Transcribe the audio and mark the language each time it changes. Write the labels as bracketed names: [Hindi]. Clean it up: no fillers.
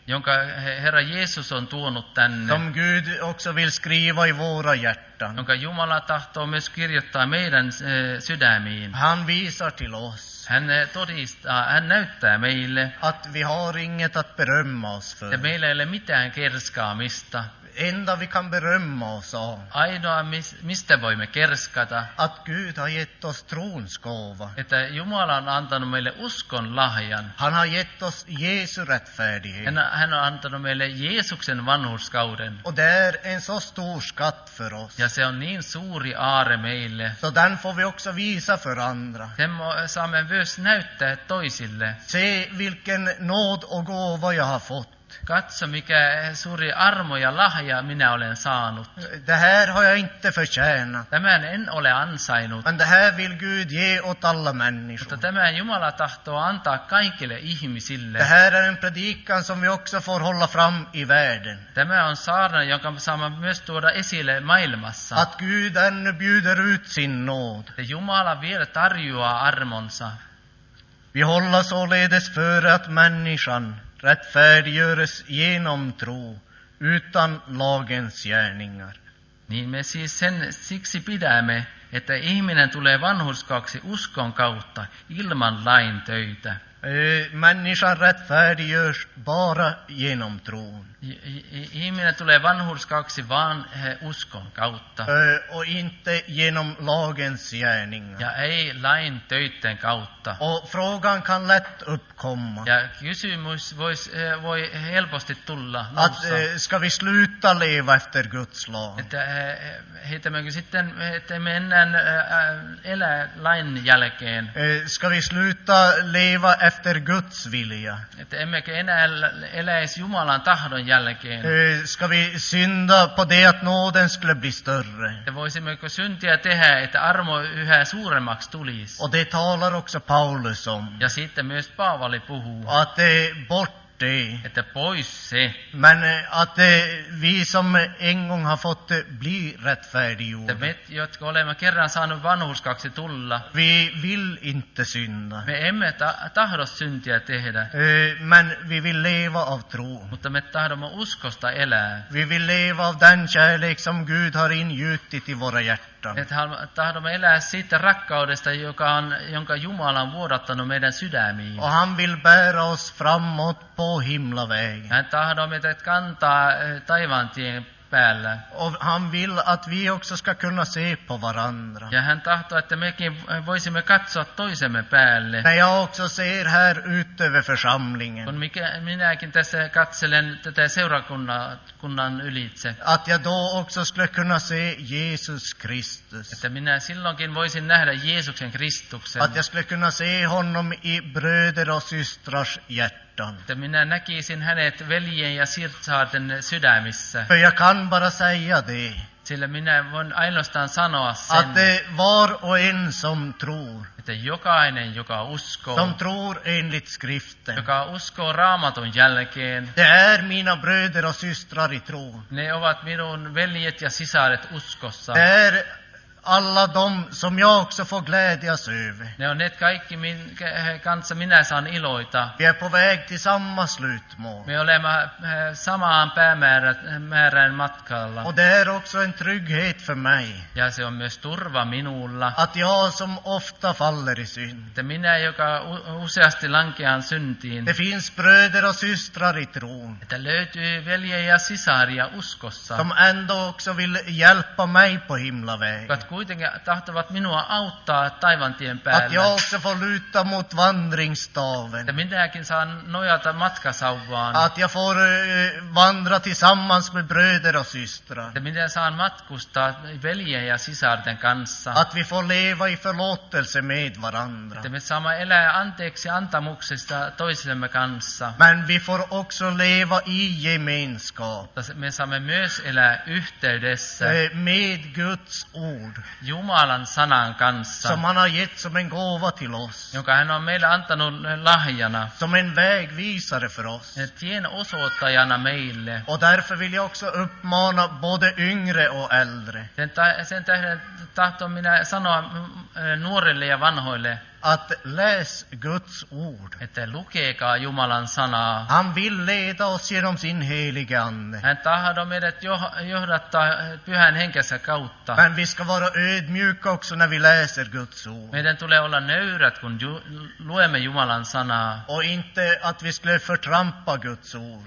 [Finnish] Jonka Herra Jesus on tuonut tänne. [Swedish] Som Gud också vill skriva i våra hjärtan. [Finnish] Jonka Jumala tahtoo myös kirjoittaa meidän sydämiin. [Swedish] Han visar till oss. [Finnish] Hän todistaa, hän näyttää meille. [Swedish] Att vi har inget att berömma oss för. [Finnish] Ja meillä ei ole mitään kerskaamista. [Swedish] Enda vi kan berömma oss av. [Finnish] Ainoa, mistä voimme kerskata. [Swedish] Att Gud har gett oss trons gåva. [Finnish] Että Jumala on antanut meille uskon lahjan. [Swedish] Han har gett oss Jesu rättfärdighet. [Finnish] Hän on antanut meille Jeesuksen vanhurskauden. [Swedish] Och det är en så stor skatt för oss. [Finnish] Ja se on niin suuri aare meille. [Swedish] Så den får vi också visa för andra. [Finnish] Sen saamme myös näyttää toisille. [Swedish] Se vilken nåd och gåva jag har fått. [Finnish] Katso, mikä suuri armo ja lahja minä olen saanut. [Swedish] Det här har jag inte förtjänat. [Finnish] Tämän en ole ansainnut. [Swedish] Men det här vill Gud ge åt alla människor. [Finnish] Mutta tämän Jumala tahtoo antaa kaikille ihmisille. [Swedish] Det här är en predikan som vi också får hålla fram i världen. [Finnish] Tämä on saarna, jonka saamme myös tuoda esille maailmassa. [Swedish] Att Gud ännu bjuder ut sin nåd. [Finnish] Ja Jumala vielä tarjoaa armonsa. [Swedish] Vi håller således för att människan rättfärdiggöres genom tro utan lagens gärningar. [Finnish] Niin me siis sen siksi pidämme, että ihminen tulee vanhurskaaksi uskon kautta ilman lain töitä. [Swedish] Människan rättfärdiggörs bara genom tron. [Finnish] Ihminen tulee vanhurskaaksi vaan uskon kautta. [Swedish] Och inte genom lagens gärningar. [Finnish] Ja ei lain töitten kautta. [Swedish] Och frågan kan lätt uppkomma. [Finnish] Ja kysymys voi helposti tulla. [Swedish] Att ska vi sluta leva efter Guds lag? [Finnish] Että heitämmekö sitten, että mennään elää lain jälkeen? [Swedish] Ska vi sluta leva efter Guds vilja? [Finnish] Että emmekö enää eläisi Jumalan tahdon jälkeen. [Swedish] Ska vi synda på det att nåden skulle bli större? [Finnish] Voisimmeko syntiä tehdä, että armo yhä suuremmaksi tulisi? [Swedish] Och det talar också Paulus om. [Finnish] Ja sitten myös Paavali puhuu. [Swedish] Att bort det. [Finnish] Että pois se. [Swedish] Men att vi som en gång har fått bli rättfärdiggjorda. [Finnish] Että me, jotka olemme kerran saanut vanhurskaaksi tulla. [Swedish] Vi vill inte synda. [Finnish] Me emme tahdo syntiä tehdä. [Swedish] Men vi vill leva av tro. [Finnish] Mutta me tahdomme uskosta elää. [Swedish] Vi vill leva av den kärlek som Gud har ingjutit i våra hjärtan. [Finnish] Että tahdomme elää siitä rakkaudesta, joka on, jonka Jumala on vuodattanut meidän sydämiin. [Swedish] Och han vill bära oss framåt på himlavägen. [Finnish] Hän tahdomme teet kantaa taivaantien päällä. [Swedish] Och han vill att vi också ska kunna se på varandra. [Finnish] Ja hän tahtoo, että mekin voisimme katsoa toisemme päälle. [Swedish] Men jag också ser här utöver församlingen. [Finnish] Kun minäkin tässä katselen tätä seurakunnan ylitse. [Swedish] Att jag då också skulle kunna se Jesus Kristus. [Finnish] Että minä silloinkin voisin nähdä Jeesuksen Kristuksen. [Swedish] Att jag skulle kunna se honom i bröder och systrars hjärta. hjärtan. Det [Finnish] minä näkisin hänet veljen ja sirtsaaten sydämissä. [Swedish] För jag kan bara säga det. [Finnish] Sillä minä voin ainoastaan sanoa sen. [Swedish] Att det var och en som tror. [Finnish] Että jokainen, joka uskoo. [Swedish] Som tror enligt skriften. [Finnish] Joka uskoo Raamatun jälkeen. [Swedish] Det är mina bröder och systrar i tron. [Finnish] Ne ovat minun veljet ja sisaret uskossa. [Swedish] Det är alla de som jag också får glädjas över. [Finnish] Ne on ne kaikki, kanssa minä saan iloita. [Swedish] Vi är på väg till samma slutmål. [Finnish] Me olemme samaan päämäärän matkalla. [Swedish] Och det är också en trygghet för mig. [Finnish] Ja se on myös turva minulla. [Swedish] Att jag som ofta faller i synd. [Finnish] Että minä, joka useasti lankean syntiin. [Swedish] Det finns bröder och systrar i tron. [Finnish] Että löytyy veljejä ja sisaria uskossa. [Swedish] Som ändå också vill hjälpa mig på himlaväg. Att [Finnish] kuitenkin tahtovat minua auttaa taivantien päällä. [Swedish] Att jag också får luta mot vandringsstaven. [Finnish] Ja minäkin saan nojata matkasauvaan. [Swedish] Att jag får vandra tillsammans med bröder och systrar. [Finnish] Ja minä saan matkustaa veljen ja sisarten kanssa. [Swedish] Att vi får leva i förlåtelse med varandra. [Finnish] Ja me saamme elää anteeksi antamuksesta toisillemme kanssa. [Swedish] Men vi får också leva i gemenskap. [Finnish] Me saamme myös elää yhteydessä. [Swedish] Med Guds ord. [Finnish] Jumalan sanan kanssa. [Swedish] Som han har gett som en gåva till oss. [Finnish] Jonka hän on meille antanut lahjana. [Swedish] Som en vägvisare för oss. [Finnish] Tien osoittajana meille. [Swedish] Och därför vill jag också uppmana både yngre och äldre. [Finnish] Sen tähden tahton minä sanoa nuorille ja vanhoille. [Swedish] Att läs Guds ord. [Finnish] Että lukekaa Jumalan sanaa. [Swedish] Han vill leda oss genom sin helige ande. [Finnish] Hän tahdo meidät johdattaa pyhän henkensä kautta. [Swedish] Men vi ska vara ödmjuka också när vi läser Guds ord. [Finnish] Meidän tulee olla nöyrät, kun luemme Jumalan sanaa. [Swedish] Och inte att vi skulle förtrampa Guds ord.